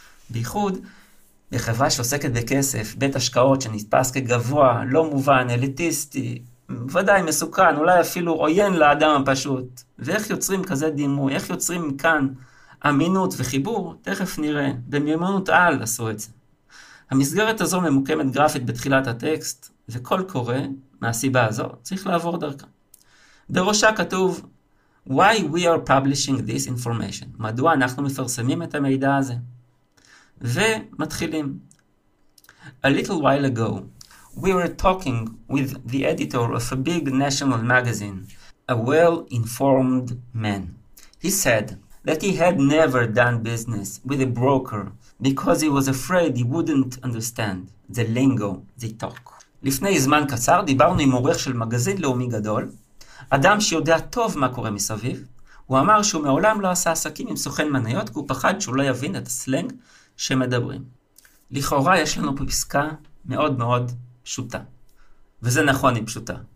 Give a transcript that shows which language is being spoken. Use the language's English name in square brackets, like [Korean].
[Hebrew] בייחוד, בחברה שעוסקת בכסף, בית השקעות שנתפס כגבוה, לא מובן, אליטיסטי, ודאי מסוכן, אולי אפילו עוין לאדם הפשוט. ואיך יוצרים כזה דימוי? איך יוצרים כאן אמינות וחיבור? תכף נראה. במיומנות על עשו את זה. המסגרת הזו ממוקמת גרפית בתחילת הטקסט, וכל קורא, מהסיבה הזו, צריך לעבור דרכה. בראשה כתוב, [English] Why we are publishing this information? [Hebrew] מדוע אנחנו מפרסמים את המידע הזה? ומתחילים. [English] A little while ago, we were talking with the editor of a big national magazine, a well-informed man. He said that he had never done business with a broker because he was afraid he wouldn't understand the lingo they talk. [Hebrew] לפני זמן קצר דיברנו עם עורך של מגזין לאומי גדול, אדם שיודע טוב מה קורה מסביב, הוא אמר שהוא מעולם לא עשה עסקים עם סוכן מניות, כי הוא פחד שהוא לא יבין את הסלנג שמדברים. לכאורה יש לנו פה פסקה מאוד מאוד פשוטה. וזה נכון, היא פשוטה.